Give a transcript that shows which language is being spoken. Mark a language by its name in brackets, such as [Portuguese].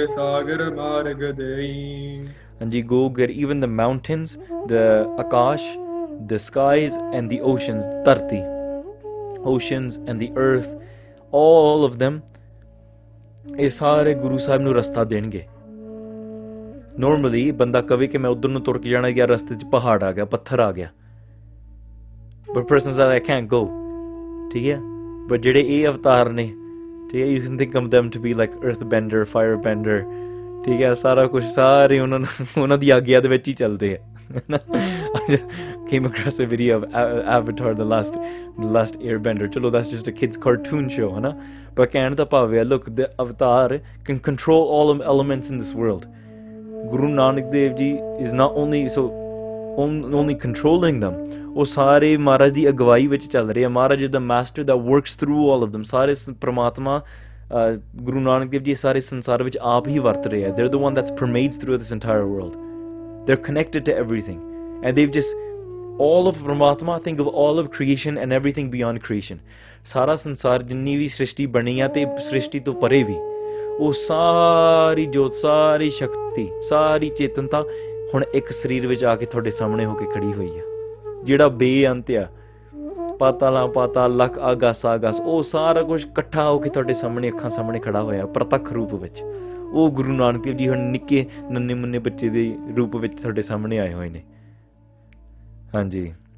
[English] Hanji, Gogir, even the mountains, the akash, the skies, and the oceans, tarti. Oceans and the earth, all of them, [Punjabi] ਇਸਾਰੇ Guru Sahib ਨੂੰ ਰਸਤਾ ਦੇਣਗੇ. Normally, ਬੰਦਾ ਕਹਿਵੀ ਕੇ ਮੈਂ ਉਧਰ ਨੂੰ ਤੁਰ ਕੇ ਜਾਣਾ ਗਿਆ, ਰਸਤੇ ਚ ਪਹਾੜ ਆ ਗਿਆ, ਪੱਥਰ ਆ ਗਿਆ. [English] But persons are like, I can't go. But [Punjabi] jede e avatar ne, [English] you can think of them to be like earthbender, firebender. [Punjabi] ਸਾਰਾ ਕੁਸ਼ ਸਾਰੀ ਉਨ੍ਹਾਂ ਦੀ ਆਗਿਆ ਦੇ ਵਿੱਚ ਹੀ ਚੱਲਦੇ ਹੈ. [English] I just came across a video of Avatar, the last airbender. [Punjabi] Chalo, [English] that's just a kid's cartoon show, na? But [Punjabi] kehna paave, [English] look, the avatar can control all elements in this world. Guru Nanak Dev Ji is not only so only controlling them. [Punjabi] ਓਹ, ਸਾਰੇ ਮਹਾਰਾਜ ਦੀ ਅਗਵਾਈ ਵਿੱਚ ਚੱਲ ਰਹੇ ਹੈ. [English] Maharaj is the master that works through all of them. [Punjabi] ਸਾਰੇ ਪ੍ਰਮਾਤਮਾ, ਗੁਰੂ ਨਾਨਕ ਦੇਵ ਜੀ, ਸਾਰੇ ਸੰਸਾਰ ਵਿੱਚ ਆਪ ਹੀ ਵਰਤ ਰਹੇ ਹੈ. [English] They're the one that's permeates through this entire world. They're connected to everything. And they've just, all of Pramatma, think of all of creation and everything beyond creation. [Punjabi] ਸਾਰਾ ਸੰਸਾਰ ਜਿੰਨੀ ਵੀ ਸ੍ਰਿਸ਼ਟੀ ਬਣੀ ਹੈ ਤੇ ਸ੍ਰਿਸ਼ਟੀ ਤੋ ਪਰੇ ਵੀ. ਓਹ, ਸਾਰੀ ਜੋਤ, ਸਾਰੀ ਸ਼ਕਤੀ, ਸਾਰੀ ਚੇਤਨਤਾ, ਹੁਣ ਇੱਕ ਸਰੀਰ ਵਿੱਚ ਆ ਕੇ ਥੋਡੇ ਸਾਹਮਣੇ ਹੋ ਕੇ ਖੜੀ ਹੋਈ ਹੈ. ਜਿਹੜਾ ਬੇਅੰਤ ਆ ਪਾਤਾਲਾ ਪਾਤਾਲ ਲੱਖ ਆਗਸ ਆਗਸ ਉਹ ਸਾਰਾ ਕੁਝ ਇਕੱਠਾ ਹੋ ਕੇ ਤੁਹਾਡੇ ਸਾਹਮਣੇ ਅੱਖਾਂ ਸਾਹਮਣੇ ਖੜਾ ਹੋਇਆ ਪ੍ਰਤੱਖ ਰੂਪ ਵਿੱਚ ਉਹ ਗੁਰੂ ਨਾਨਕ ਦੇਵ ਜੀ ਹੁਣ ਨਿੱਕੇ ਨੰਨੇ ਮੁੰਨੇ ਬੱਚੇ ਦੇ ਰੂਪ ਵਿੱਚ ਤੁਹਾਡੇ ਸਾਹਮਣੇ ਆਏ ਹੋਏ ਨੇ ਹਾਂਜੀ